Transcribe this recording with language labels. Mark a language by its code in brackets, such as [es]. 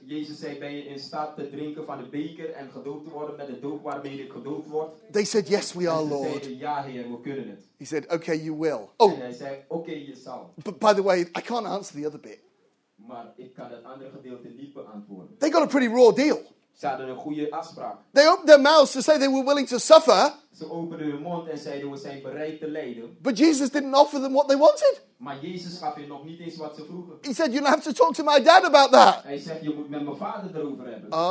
[nl] Jezus zei, ben je in staat te drinken van de beker en gedoopt te worden met de doop waarmee je gedoopt wordt? [en] They said, yes, we are, Lord. [nl] Ze zeiden, ja, Heer, we kunnen het. [en] He said, okay, you will. [nl] Oh. En hij zei, okay, je zal. [en] But by the way, I can't answer the other bit. [nl] Maar ik kan het andere gedeelte niet beantwoorden. [en] They got a pretty raw deal. [nl] Ze hadden een goede afspraak. [en] They opened their mouths to say they were willing to suffer. [nl] Ze openden hun mond en zeiden, we zijn bereid te lijden. [en] But Jesus didn't offer them what they wanted. [nl] Maar Jezus gaf hen nog niet eens wat ze vroegen. [en] He said, you don't have to talk to my dad about that. [nl] Hij zegt, je moet met mijn vader erover hebben.